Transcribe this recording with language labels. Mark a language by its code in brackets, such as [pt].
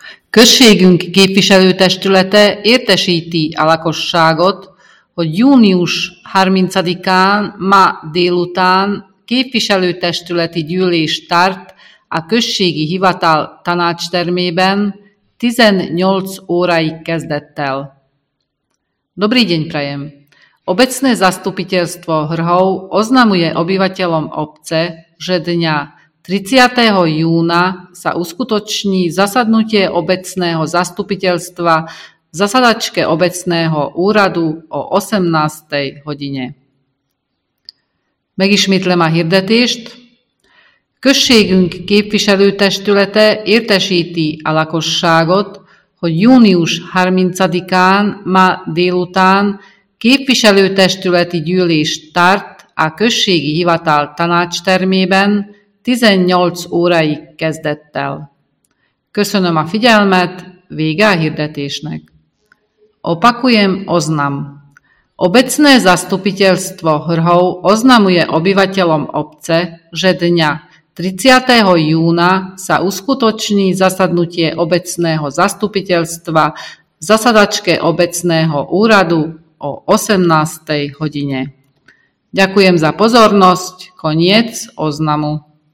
[hu] Községünk képviselőtestülete értesíti a lakosságot, hogy június 30-án ma délután képviselőtestületi gyűlést tart a községi hivatal tanácstermében 18 óráig kezdettel. [sk] Dobrý deň prajem! Obecné zastupiteľstvo Hrhov oznamuje obyvateľom obce, že dňa 30. júna sa uskutoční zasadnutie obecného zastupiteľstva v zasadačke obecného úradu o 18. hodine. [hu] Megismétlem a hirdetést. Községünk képviselőtestülete értesíti a lakosságot, hogy június 30-án ma délután képviselőtestületi gyűlést tart a községi hivatal tanácstermében 18 óráig kezdettel. Köszönöm a figyelmet, vége a hirdetésnek. [sk] Opakujem oznam. Obecné zastupiteľstvo Hrhov oznamuje obyvateľom obce, že dňa 30. júna sa uskutoční zasadnutie obecného zastupiteľstva v zasadačke obecného úradu o 18. hodine. Ďakujem za pozornosť. Koniec oznamu.